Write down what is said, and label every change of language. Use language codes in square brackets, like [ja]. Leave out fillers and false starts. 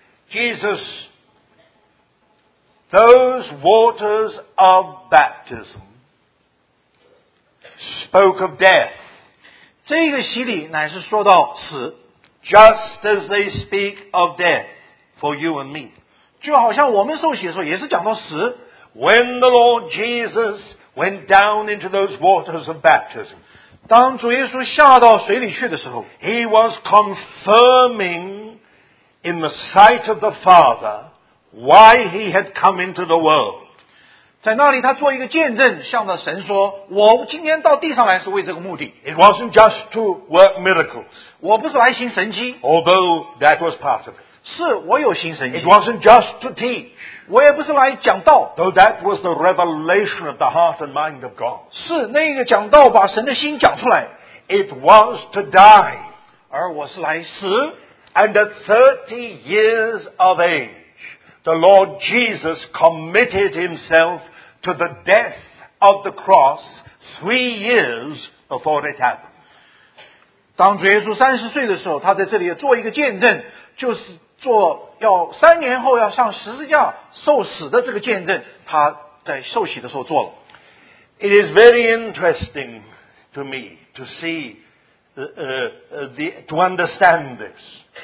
[en] Jesus, those waters of baptism,Spoke of death. [zh] 这个洗礼乃是说到死。 [en] Just as they speak of death for you and me. [zh] 就好像我们受洗的时候也是讲到死。 [en] When the Lord Jesus went down into those waters of baptism, [zh] 当主耶稣下到水里去的时候 [en] He was confirming in the sight of the Father why he had come into the world. [zh] 在那里他做一个见证向着神说我今天到地上来是为这个目的。 [en] It wasn't just to work miracles. [zh] 我不是来行神迹。 [en] Although that was part of it. [zh] 是我有行神迹。 [en] It wasn't just to teach. [zh] 我也不是来讲道。 [en] Though that was the revelation of the heart and mind of God. [zh] 是那个讲道把神的心讲出来。 [en] It was to die. [zh] 而我是来死。 [en] And at 30 years of age,The Lord Jesus committed himself to the death of the cross 3 years before it happened. [zh] 当主耶稣30岁的时候他在这里做一个见证就是做要三年后要上十字架受死的这个见证他在受洗的时候做了。 [en] It is very interesting to me to see, to understand this.